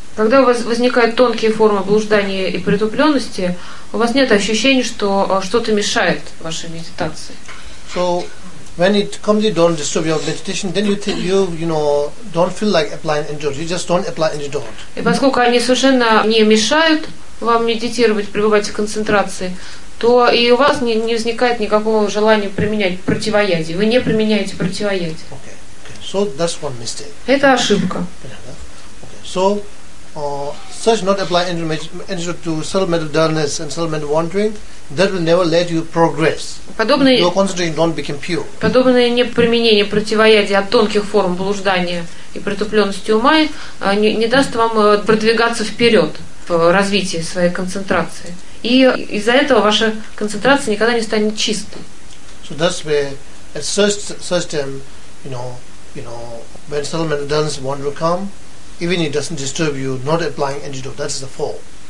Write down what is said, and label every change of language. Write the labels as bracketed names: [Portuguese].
[Russian] Когда у вас возникают тонкие формы блуждания и притупленности, у вас нет ощущения, что что-то мешает вашей медитации. [English] So when it comes, you don't disturb your meditation, then you don't feel like applying antidote. You just don't apply antidote. [Russian] И поскольку они совершенно не мешают вам медитировать, пребывать в концентрации, то и у вас не возникает никакого желания применять противоядие. Вы не применяете противоядие. [English] Okay. So that's one mistake. [Russian] Это ошибка. [English] Okay. So such not applying antidote to subtle mental dullness and subtle mental wandering, that will never let you progress. [Russian] Подобное, [English] your concentration don't become pure. [Russian] Подобное неприменение противоядия от тонких форм блуждания и притупленности ума не даст вам продвигаться вперед в развитии своей концентрации. И из-за этого ваша концентрация никогда не станет чистой. [English] So that's where at such time, you know, when subtle mental dullness and wandering come, even it doesn't disturb you, not applying antidote, that's the fall.